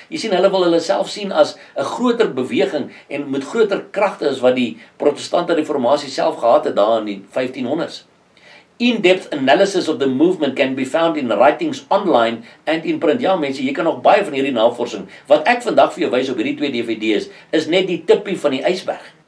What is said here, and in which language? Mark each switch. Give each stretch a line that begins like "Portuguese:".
Afrikaans: Jy sien, hulle wil hulle self sien as 'n groter beweging en met groter kragte as wat die Protestante Reformatie self gehad het daar in die 1500s.
English: In-depth analysis of the movement can be found in writings online and in print.
Afrikaans: Ja, mense, jy kan nog baie van hierdie navorsing. Wat ek vandag vir jou wys op hierdie twee DVD's is net die tippie van die ijsberg.